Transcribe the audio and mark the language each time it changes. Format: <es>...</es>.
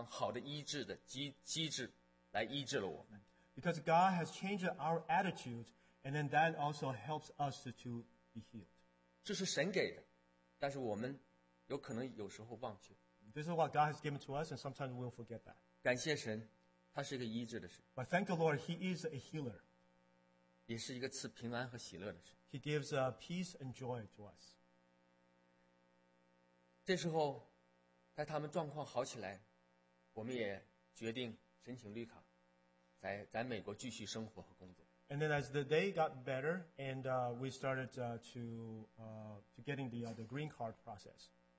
<zh>是神通过调动我们对人生的态度，对我们事情的看法，也调动我们自己身体内的非常好的医治的机制来医治了我。</zh> <en>Because God has changed our attitude, and then that also helps us to be healed.</en> <zh>这是神给的。但是我们有可能有时候忘记。</zh> <en>This is what God has given to us, and sometimes we'll forget that.</en> <zh>感谢神, 他是一个医治的神。</zh> <en>But thank the Lord, He is a healer.</en> <zh>也是一个赐平安和喜乐的神。</zh> <en>He gives peace and joy to us.</en> <zh>这时候, 在他们状况好起来, 我们也决定申请绿卡, 在美国继续生活和工作。</zh> <en>And then as the day got better, and we started to getting the green card process.</en>